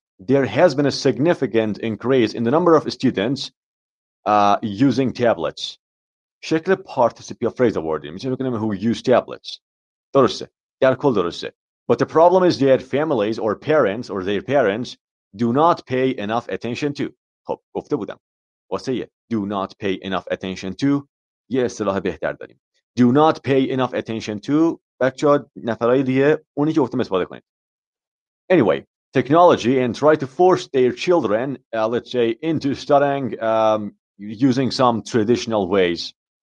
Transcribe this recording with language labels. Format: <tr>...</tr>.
<en>There has been a significant increase in the number of students using tablets.</en> <fa>شکل participial phrase آوردیم. میتونیم بگیم</fa> <en>who use tablets.</en> <fa>درسته. در کل درسته.</fa> <en>But the problem is that families or parents or their parents do not pay enough attention to.</en> <fa>خب گفته بودم. واسه یه</fa> <en>do not pay enough attention to</en> <fa>یه اصطلاح بهتر داریم.</fa> <en>Do not pay enough attention to</en> <fa>بچه ها نفرهای دیگه اونی که گفتم استفاده کنید.</fa> <en>Anyway, technology and try to force their children, let's say, into studying using some traditional ways.</en>